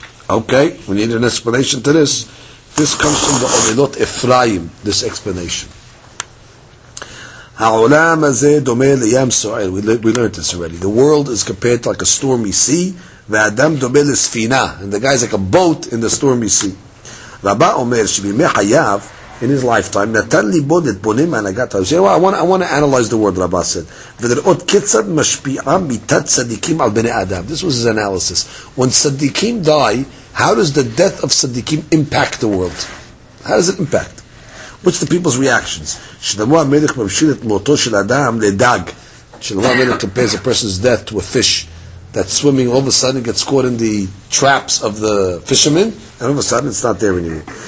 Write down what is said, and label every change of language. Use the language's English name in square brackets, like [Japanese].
[English] Okay, we need an explanation to this. This comes from the Ovelot Ephraim, this explanation. [Hebrew] העולם הזה דומה לים סוער. [English] We learned this already. The world is compared to like a stormy sea, [Hebrew] והאדם דומה לספינה. [English] And the guy is like a boat in the stormy sea. [Hebrew] רבה אומר שבימי חייו, [English] in his lifetime, [Hebrew] נתן ליבו לתבונן מהנהגת העולם. [English] You know, I want to analyze the word, רבה said. [Hebrew] ולראות כיצד משפיעה מיתת צדיקים על בני אדם. [English] This was his analysis. When צדיקים die, how does the death of צדיקים impact the world? How does it impact? What's the people's reactions? [Hebrew] Shlomo HaMelech mamshil et moto shel adam ledag. [English] Shlomo HaMelech compares a person's death to a fish that's swimming, all of a sudden gets caught in the traps of the fisherman, and all of a sudden it's not there anymore.